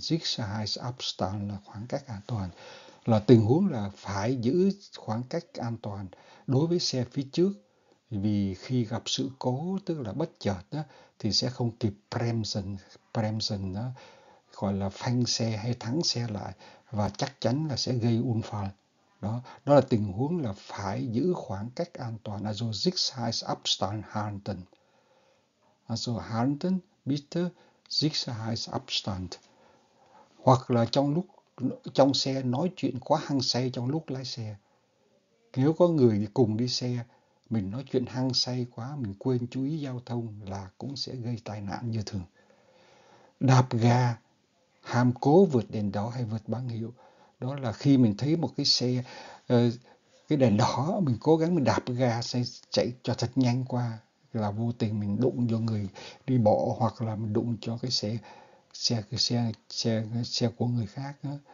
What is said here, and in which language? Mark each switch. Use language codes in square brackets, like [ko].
[vi] Sicherheitsabstand là khoảng cách an toàn. Là tình huống là phải giữ khoảng cách an toàn đối với xe phía trước. Vì khi gặp sự cố, tức là bất chợt đó, thì sẽ không kịp bremsen đó, gọi là phanh xe hay thắng xe lại, và chắc chắn là sẽ gây unfall. Đó, đó là tình huống là phải giữ khoảng cách an toàn. [de] Also Sicherheitsabstand halten. Also halten, bitte Sicherheitsabstand. [vi] Hoặc là trong lúc trong xe nói chuyện quá hăng say trong lúc lái xe. Nếu có người cùng đi xe, mình nói chuyện hăng say quá, mình quên chú ý giao thông là cũng sẽ gây tai nạn như thường. Đạp ga hàm cố vượt đèn đỏ hay vượt báo hiệu, đó là khi mình thấy một cái xe cái đèn đỏ, mình cố gắng mình đạp ga xe chạy cho thật nhanh qua, là vô tình mình đụng vô người đi bộ, hoặc là mình đụng cho cái xe xe xe xe xe của người khác đó.